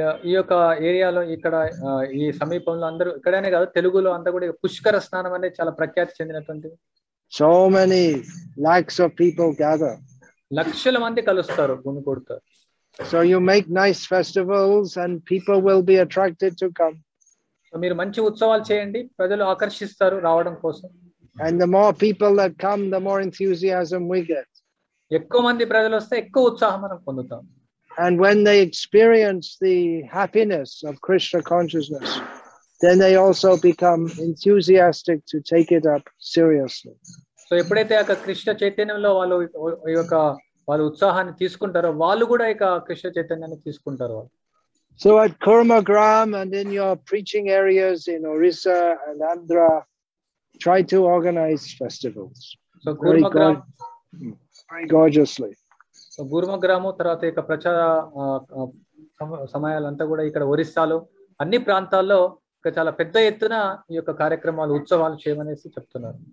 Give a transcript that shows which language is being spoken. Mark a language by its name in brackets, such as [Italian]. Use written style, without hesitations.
[Telugu] ఈ యొక్క ఏరియాలో ఇక్కడ ఈ సమీపంలో అందరూ ఇక్కడనే కాదు తెలుగులో అంతా కూడా పుష్కర స్నానం అనేది చాలా ప్రఖ్యాతి చెందినటువంటి. [English] So many lakhs of people gather. [Telugu] లక్షల మంది కలుస్తారు గుమి కొడతారు. [English] So you make nice festivals and people will be attracted to come. [Telugu] మీరు మంచి ఉత్సవాలు చేయండి, ప్రజలు ఆకర్షిస్తారు రావడం కోసం. [English] And the more people that come, the more enthusiasm we get. [Telugu] ఎక్కువ మంది ప్రజలు వస్తే ఎక్కువ ఉత్సాహం మనం పొందుతాం. [English] And when they experience the happiness of Krishna consciousness, then they also become enthusiastic to take it up seriously. [Telugu] So ఎప్పుడైతే ఆ కృష్ణ చైతన్యంలో వాళ్ళు ఈ యొక్క వాళ్ళు ఉత్సాహాన్ని తీసుకుంటారో వాళ్ళు కూడా ఇక కృష్ణ చైతన్యాన్ని తీసుకుంటారు. [English] So at Kurmagram and in your preaching areas in Orissa and Andhra, try to organize festivals. So Kurmagram, very gorgeously. [Telugu] So Kurmagram తర్వాత ఇక ప్రచార సమయాలంతా కూడా ఇక్కడ ఒరిస్సాలో అన్ని ప్రాంతాల్లో ఇక చాలా పెద్ద ఎత్తున ఈ యొక్క కార్యక్రమాలు ఉత్సవాలు చేయమనేసి చెప్తున్నారు.